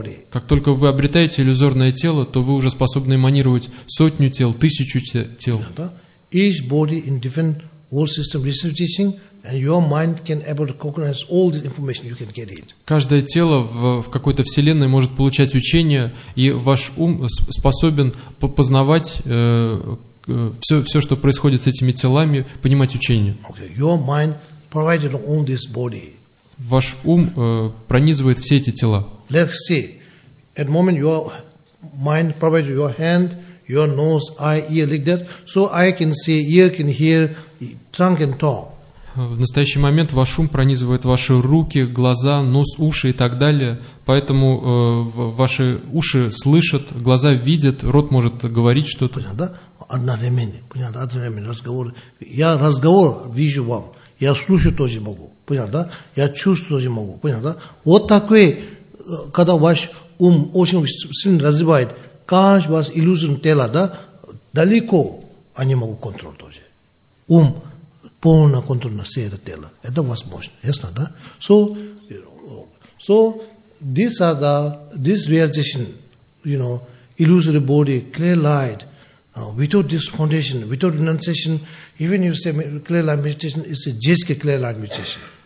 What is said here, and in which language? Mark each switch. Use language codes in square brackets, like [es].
[ru] Как только вы обретаете иллюзорное тело, то вы уже способны эманировать сотню тел, тысячу тел. [en] Each body in different world system receives teaching. And your mind can able to cognize all this information you can get it. [ru] Каждое тело в какой-то вселенной может получать учение, и ваш ум способен познавать все, что происходит с этими телами, понимать учение. [en] Okay, your mind provided all this body. [ru] Ваш ум пронизывает все эти тела. [en] Let's see. At moment your mind provided your hand, your nose, eye, ear, like that, so I can see, ear can hear, tongue can talk. [ru] В настоящий момент ваш ум пронизывает ваши руки, глаза, нос, уши и так далее. Поэтому ваши уши слышат, глаза видят, рот может говорить что-то. Понятно? Одновременно. Разговор. Я разговор вижу вам. Я слушаю тоже могу. Понятно? Я чувствую тоже могу. Понятно? Вот такой, когда ваш ум очень сильно развивает, каждый ваш иллюзорное тело, да, далеко они могут контролировать тоже. Ум. Полный контроль на все это тело. Это возможно. Ясно, да? [en] So, you know, so these are the, this realization, you know, illusory body, clear light, without this foundation, without renunciation, even you say clear light meditation, it's a jiske clear light meditation.